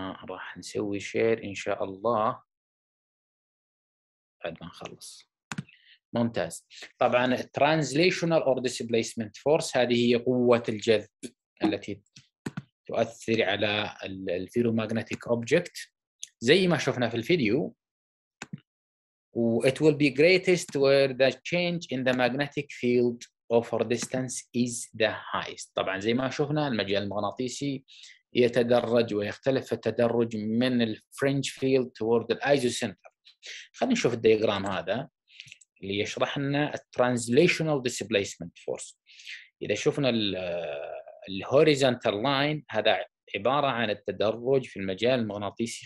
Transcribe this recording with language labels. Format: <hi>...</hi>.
<ar>راح نسوي شير ان شاء الله بعد ما نخلص. ممتاز. طبعا</ar> <en>translational or displacement force</en> <ar>هذه هي قوة الجذب التي تؤثر على الفيرومغناطيك object زي ما شفنا في الفيديو.</ar> <en>It will be greatest where the change in the magnetic field over distance is the highest.</en> <ar>طبعا زي ما شفنا المجال المغناطيسي يتدرج ويختلف التدرج من الفرنج فيلد توورد الايزو سنتر. خلينا نشوف الديجرام هذا اللي يشرح لنا الترانزليشنال ديسبليسمنت فورس. اذا شفنا الهوريزونتال لاين هذا عباره عن التدرج في المجال المغناطيسي.</ar>